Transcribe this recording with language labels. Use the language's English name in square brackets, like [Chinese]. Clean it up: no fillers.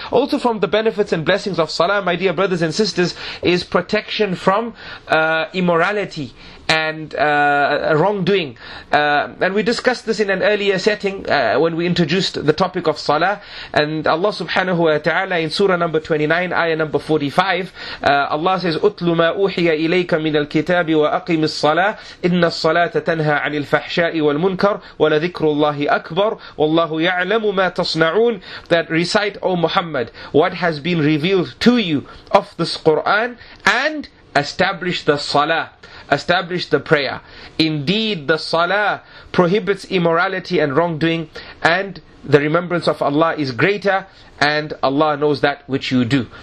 [English] Also from the benefits and blessings of salah, my dear brothers and sisters, is protection from immorality and wrongdoing. And we discussed this in an earlier setting when we introduced the topic of salah. And Allah subhanahu wa ta'ala in surah number 29, ayah number 45, Allah says, [Arabic] أُتْلُ مَا أُوحِيَ إِلَيْكَ مِنَ الْكِتَابِ وَأَقِمِ الصَّلَاةِ إِنَّ الصَّلَاةَ تَنْهَى عَنِ الْفَحْشَاءِ وَالْمُنْكَرِ وَلَذِكْرُ اللَّهِ أَكْبَرُ وَاللَّهُ يَعْلَمُ مَا تَصْنَعُونَ. [English] That recite, O Muhammad, what has been revealed to you of this Quran, and establish the salah. Establish the prayer. Indeed, the salah prohibits immorality and wrongdoing, and the remembrance of Allah is greater, and Allah knows that which you do.